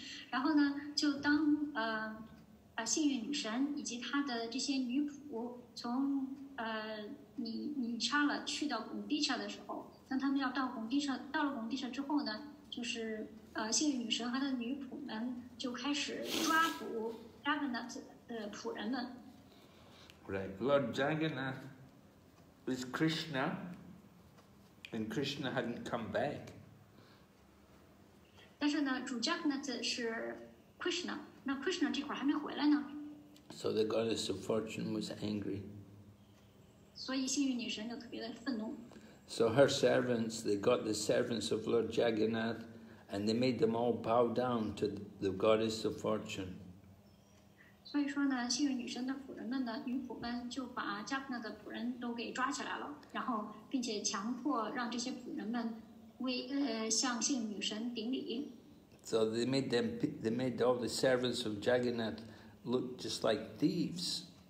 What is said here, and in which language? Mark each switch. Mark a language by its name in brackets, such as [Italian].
[Chinese] 然后呢，就当幸运女神以及她的这些女仆从女沙拉去到贡地沙的时候，当他们要到贡地沙，到了贡地沙之后呢，就是幸运女神和她的女仆们就开始抓捕 Jagannath 的仆人们。 [English] Right, Lord Jagannath is Krishna, and Krishna hadn't come back. [Chinese] 但是呢，主 Jagannath 是 Krishna， 那 Krishna 这会儿还没回来呢。 [English] So the goddess of fortune was angry. [Chinese] 所以幸运女神就特别的愤怒。 [English] So her servants, they got the servants of Lord Jagannath, and they made them all bow down to the goddess of fortune. [Chinese] 所以说呢，幸运女神的仆人们呢，女仆们就把 Jagannath 的仆人都给抓起来了，然后并且强迫让这些仆人们。 [English] So they made all the servants of Jagannath look just like thieves.